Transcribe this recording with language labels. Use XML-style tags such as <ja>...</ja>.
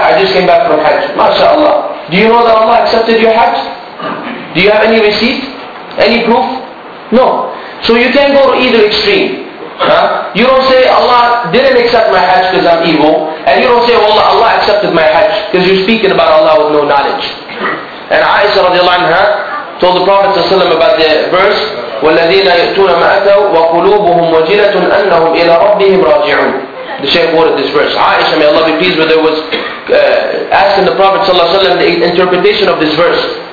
<en>I just came back from Hajj. MashaAllah. Do you know that Allah accepted your Hajj? Do you have any receipt? Any proof? No. So you can't go to either extreme. Huh? You don't say Allah didn't accept my Hajj because I'm evil. And you don't say, well, Allah accepted my Hajj because you're speaking about Allah with no knowledge. And Aisha radiallahu anha told the Prophet ﷺ about the verse,</en> <ar>وَالَّذِينَ يَأْتُونَ مَا أَتَوْا وَقُلُوبُهُمْ وَجِلَةٌ أَنَّهُمْ إِلَىٰ رَبِّهِمْ رَاجِعُونَ.</ar> <en>The Shaykh quoted this verse. Aisha, may Allah be pleased with her, was asking the Prophet ﷺ the interpretation of this verse.</en>